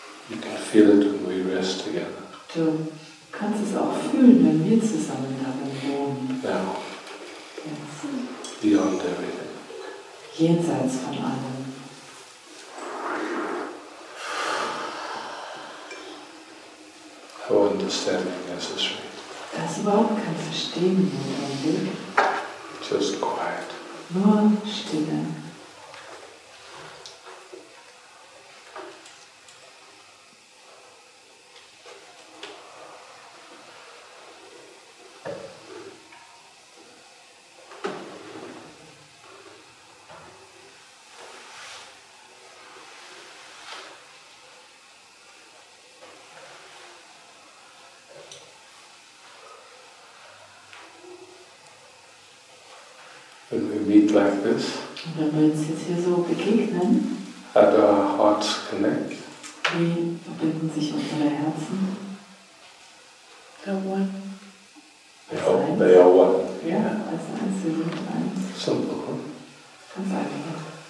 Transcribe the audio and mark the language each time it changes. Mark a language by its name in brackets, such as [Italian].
[English] You can feel it when we rest together. [German] Du kannst es auch fühlen, wenn wir zusammen darin wohnen. [English] Now. Yes. Beyond everything. [German] Jenseits von allem. [English] How understanding necessary. [German] Das überhaupt kein Verstehen notwendig. [English] Just quiet. [German] Nur Stille. Wenn wir uns jetzt hier so begegnen, [English] how do our hearts connect? [German] Wie verbinden sich unsere Herzen? [English] They're one. They are one. [German] Ja, als eins, wir sind eins. [English] Simple. [German] Ganz einfach.